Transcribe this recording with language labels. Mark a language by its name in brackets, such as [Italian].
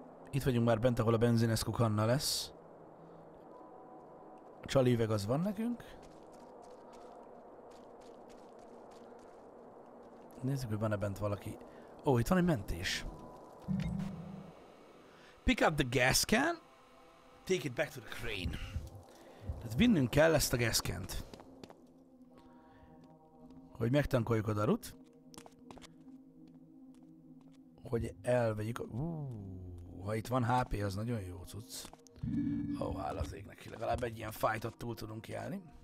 [Hungarian] Itt vagyunk már bent, ahol a benzineszkuk Anna lesz. A csali üveg az van nekünk. Nézzük, hogy van-e bent valaki. Ó, itt van egy mentés. [English] Pick up the gas can, take it back to the crane. [Hungarian] Tehát vinnünk kell ezt a gas can-t. Hogy megtankoljuk a darut. Hogy elvegyük a... ha itt van HP, az nagyon jó cucc. Ó, áll az ég neki. Legalább egy ilyen fight-ot túl tudunk járni.